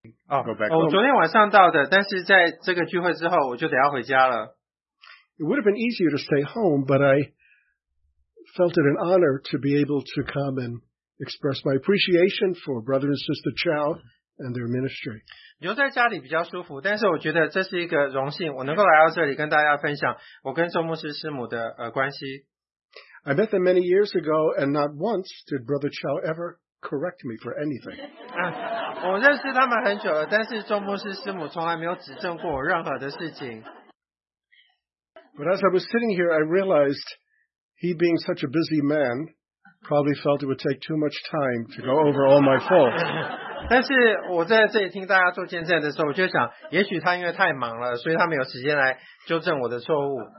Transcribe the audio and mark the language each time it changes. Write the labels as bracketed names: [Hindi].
[English] Go back. [Chinese] 昨天晚上到的，但是在这个聚会之后，我就得要回家了。 [English] It would have been easier to stay home, but I felt it an honor to be able to come and express my appreciation for Brother and Sister Chow and their ministry. [Chinese] 留在家里比较舒服，但是我觉得这是一个荣幸，我能够来到这里跟大家分享我跟周牧师师母的关系。 [English] I met them many years ago, and not once did Brother Chow ever correct me for anything. [Chinese] 我认识他们很久了，但是周牧师师母从来没有指正过我任何的事情。 [English] But as I was sitting here, I realized he being such a busy man probably felt it would take too much time to go over all my faults. [Chinese] 但是我在这里听大家做见证的时候，我就想，也许他因为太忙了，所以他没有时间来纠正我的错误。